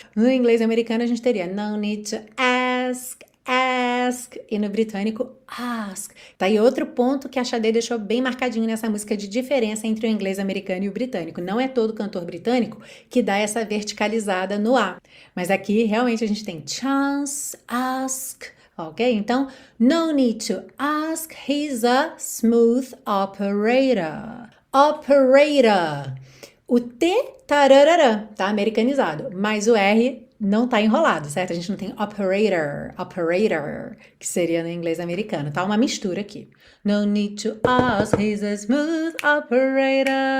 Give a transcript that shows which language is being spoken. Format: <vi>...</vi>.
<pt>No inglês americano a gente teria</pt> <en>no need to ask,</en> <pt>ask, e no britânico ask. Tá aí outro ponto que a Sade deixou bem marcadinho nessa música de diferença entre o inglês americano e o britânico. Não é todo cantor britânico que dá essa verticalizada no A. Mas aqui realmente a gente tem chance, ask. Ok?</pt> <en>Então, no need to ask, he's a smooth operator. Operator.</en> <pt>O T, tararara, tá americanizado, mas o R não tá enrolado, certo? A gente não tem operator, operator, que seria no inglês americano. Tá uma mistura aqui.</pt> <en>No need to ask, he's a smooth operator.</en>